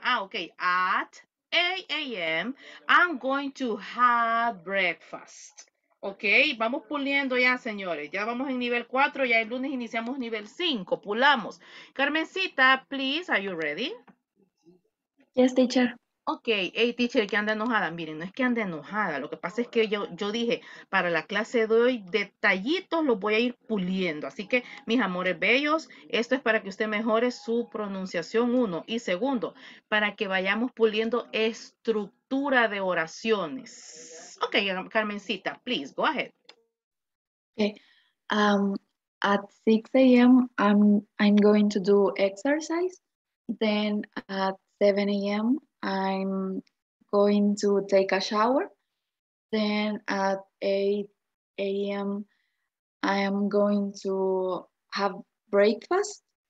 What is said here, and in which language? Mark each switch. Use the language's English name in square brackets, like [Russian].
[English] Ah, ok, at 8 a.m., I'm going to have breakfast. [Spanish] Ok, vamos puliendo ya, señores. Ya vamos en nivel 4, ya el lunes iniciamos nivel 5. Pulamos. [English] Carmencita, please, are you ready? Yes, teacher. [Spanish] Ok, hey, teacher, ¿qué anda enojada? Miren, no es que ande enojada. Lo que pasa es que yo dije, para la clase de hoy, detallitos los voy a ir puliendo. Así que, mis amores bellos, esto es para que usted mejore su pronunciación, uno. Y segundo, para que vayamos puliendo estructura de oraciones. [English] Ok, Carmencita, please, go ahead. Okay. At 6 a.m., I'm going to do exercise. Then at 7 a.m., I'm going to take a shower. Then at 8 a.m., I am going to have breakfast.